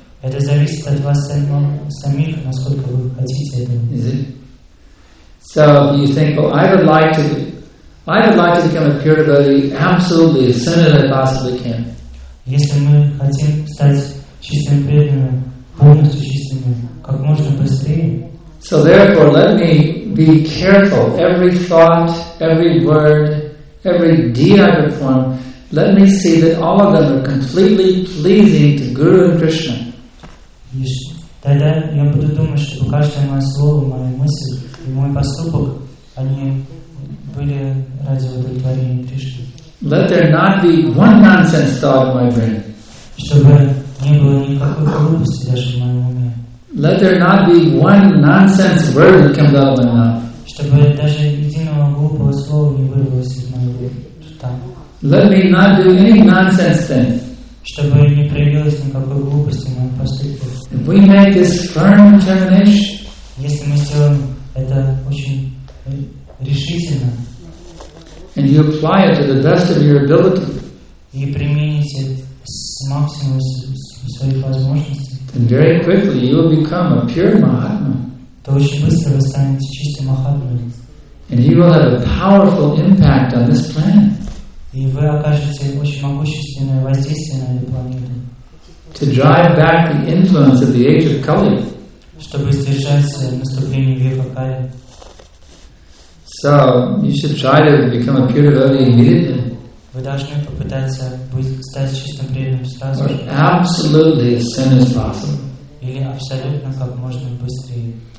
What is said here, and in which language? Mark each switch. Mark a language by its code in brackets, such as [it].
[ru] Это зависит от вас самих, насколько вы хотите этого. [en] Is it? So you think, well, I would like to become a pure devotee absolutely as soon as I possibly can. [ru] Если мы хотим стать чистыми преданными, полностью чистыми, как можно быстрее. [en] So therefore, let me be careful. Every thought, every word, every deed I perform. Let me see that all of them are completely pleasing to Guru and Krishna. Yes. [ru] Тогда я буду думать, что каждое мое слово, моя мысль и мой поступок, они были ради удовлетворения Кришны. [en] Let there not be one nonsense thought in my brain. [ru] Чтобы не было никакой глупости даже в моем уме. [en] Let there not be one nonsense word that comes out of my mouth. [ru] Чтобы даже единого глупого слова не вырвалось из моего уме. [en] Let me not do any nonsense things. [ru] Чтобы не проявилось никакой глупости в моем поступке. [en] If we make this firm determination, [ru] если мы сделаем это очень решительно, [en] and you apply it to the best of your ability, [ru] и примените с максимумом своих возможностей, [en] then very quickly you will become a pure Mahatma. [ru] То очень быстро вы станете чистым Махатмой. [en] And you will have a powerful impact on this planet. [ru] И вы окажете очень могущественное воздействие на эту планету. [en] To drive back the influence of the age of Kali. [ru] Чтобы сдержать наступление века Кали. [en] So you should try to become a pure devotee immediately. [ru] Вы должны попытаться стать чистым преданным сразу. [en] Or absolutely as soon as possible. [ru] Или абсолютно как можно быстрее.